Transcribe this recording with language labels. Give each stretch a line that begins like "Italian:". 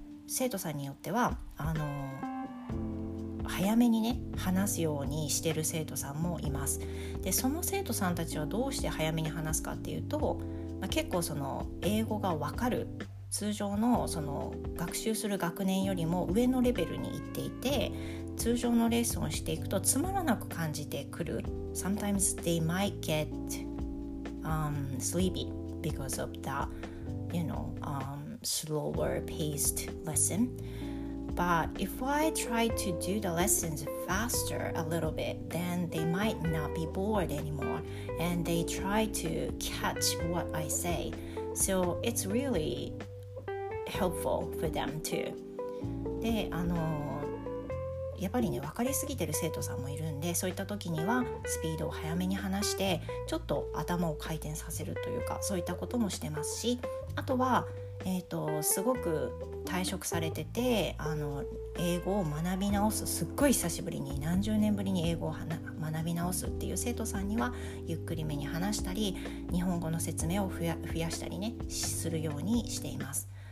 Japanese: 生徒さんによっては早めにね話すようにしてる生徒さんもいます。で、その生徒さんたちはどうして早めに話すかっていうと、結構その英語が分かる通常のその学習する学年よりも上のレベルに行っていて、通常のレッスンをしていくとつまらなく感じてくる。
English: Sometimes they might get sleepy because of the slower paced lesson. But if I try to do the lessons faster a little bit, then they might not be bored anymore and they try to catch what I say. So it's really helpful for them too.
Japanese: で、やっぱりね、分かりすぎてる生徒さんもいるんで、そういった時にはスピードを早めに話してちょっと頭を回転させるというか、そういったこともしてますし、あとはすごく退職されてて英語を学び直す、すっごい久しぶりに何十年ぶりに英語を学び直すっていう生徒さんにはゆっくりめに話したり、日本語の説明を増やしたりねするようにしています。